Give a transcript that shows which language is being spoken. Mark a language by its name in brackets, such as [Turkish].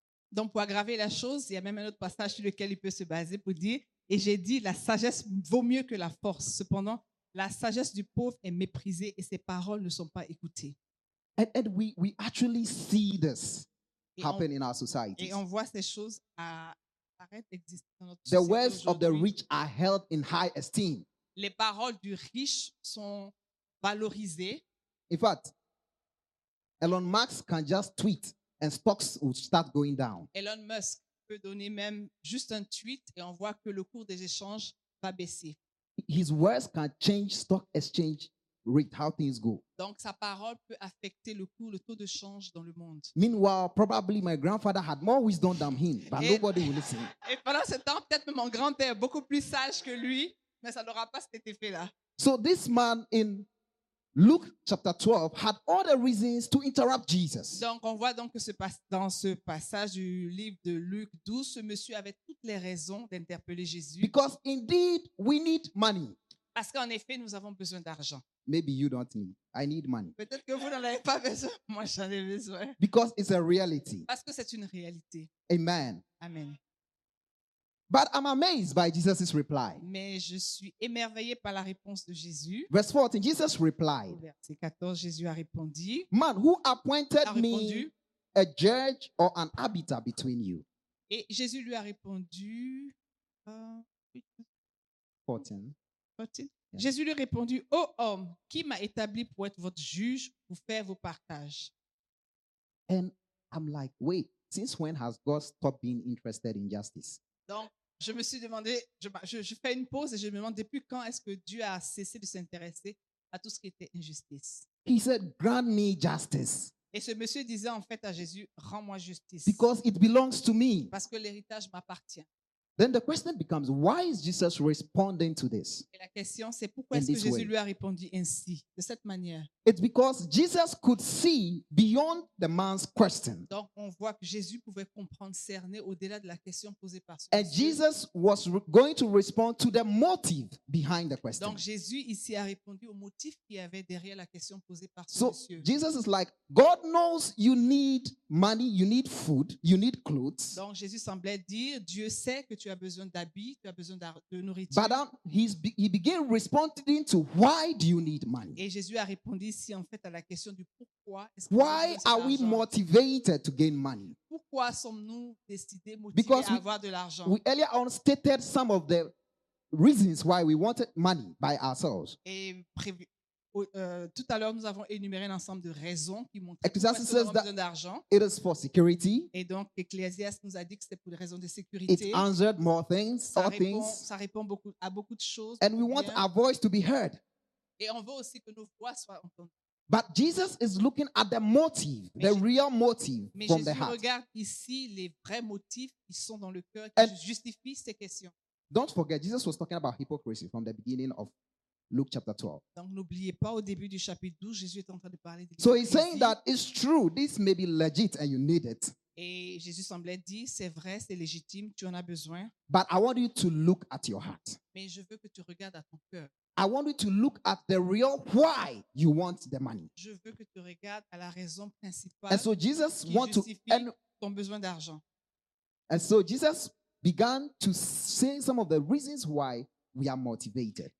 [French] Donc, pour aggraver la chose, il y a même un autre passage sur lequel il peut se baser pour dire, et j'ai dit, la sagesse vaut mieux que la force. Cependant, la sagesse du pauvre est méprisée et ses paroles ne sont pas écoutées. [English] And we actually see this happen in our societies. [French] Et on voit ces choses apparaître exister dans notre société. [English] The words of the rich are held in high esteem. [French] Les paroles du riche sont valorisées. [English] In fact, Elon Musk can just tweet and stocks will start going down. [French] Elon Musk peut donner même juste un tweet et on voit que le cours des échanges va baisser. [English] His words can change stock exchange rate, how things go. [French] Donc sa parole peut affecter le cours, le taux de change dans le monde. [English] Meanwhile, probably my grandfather had more wisdom than him, but nobody will listen. [French] Et pendant ce temps, peut-être mon grand-père est beaucoup plus sage que lui, mais ça n'aura pas cet effet-là. [English] So this man in Luke chapter 12 had all the reasons to interrupt Jesus. [French] Donc on voit donc que dans ce passage du livre de Luc 12, ce monsieur avait toutes les raisons d'interpeller Jésus. [English] Because indeed we need money. [French] Parce qu'en effet, nous avons besoin d'argent. [English] Maybe you don't need. I need money. [French] Peut-être que vous n'en avez pas besoin. Moi, j'en ai besoin. [English] Because it's a reality. [French] Parce que c'est une réalité. Amen. Amen. [English] But I'm amazed by Jesus' reply. [French] Mais je suis émerveillé par la réponse de Jésus. [English] Verse 14, Jesus replied. [French] Verset 14, Jésus a répondu. [English] Man, who appointed me a judge or an arbiter between you? [French] Et Jésus lui a répondu. 14. Jésus lui répondit, « Ô homme, qui m'a établi pour être votre juge pour faire vos partages ?» [English] And I'm like, wait, since when has God stopped being interested in justice? [French] Donc, je me suis demandé, je fais une pause et je me demande depuis quand est-ce que Dieu a cessé de s'intéresser à tout ce qui était injustice. [English] He said, grant me justice. [French] Et ce monsieur disait en fait à Jésus, rends-moi justice. [English] Because it belongs to me. [French] Parce que l'héritage m'appartient. [English] Then the question becomes, why is Jesus responding to this? [French] Et la question c'est pourquoi est-ce que Jésus lui a répondu ainsi, de cette manière? [English] It's because Jesus could see beyond the man's question. [French] Donc on voit que Jésus pouvait comprendre, cerner au-delà de la question posée par ce. [English] And Jesus was going to respond to the motive behind the question. [French] Donc Jésus ici a répondu au motif qui avait derrière la question posée par ce [English] so, [French] monsieur. [English] So Jesus is like, God knows you need money, you need food, you need clothes. [French] Donc Jésus semblait dire, Dieu sait que tu as besoin d'habits, tu as besoin de nourriture. [English] But then he began responding to why do you need money? [French] Et Jésus a répondu ici en fait à la question du pourquoi. [English] Why are we motivated to gain money? [French] Pourquoi sommes-nous décidés, motivés à avoir de l'argent? [English] Because we earlier on stated some of the reasons why we wanted money by ourselves. [French] Tout à l'heure, nous avons énuméré un ensemble de raisons qui montrent que nous avons besoin d'argent. [English] It is for security. [French] Et donc, Ecclésiaste nous a dit que c'était pour des raisons de sécurité. [English] It answered more things, [French] ça répond, [English] things. [French] Ça répond beaucoup, à beaucoup de choses. [English] And we want our voice to be heard. [French] Et on veut aussi que nos voix soient entendues. [English] But Jesus is looking at the motive, [French] mais [English] the real motive from the heart. [French] Mais Jésus regarde ici les vrais motifs qui sont dans le cœur qui justifient ces questions. [English] Don't forget, Jesus was talking about hypocrisy from the beginning of Luke chapter 12. [French] Donc n'oubliez pas au début du chapitre 12, Jésus est en train de parler de. [English] So he's saying that it's true, this may be legit and you need it. [French] Et Jésus semblait dire c'est vrai, c'est légitime, tu en as besoin. [English] But I want you to look at your heart. [French] Mais je veux que tu regardes à ton cœur. [English] I want you to look at the real why you want the money. [French] Je veux que tu regardes à la raison principale. [English] And so Jesus [French] qui [English] want [French] justifie [English] to and [French] ton besoin d'argent. [English] And so Jesus began to say some of the reasons why we are motivated.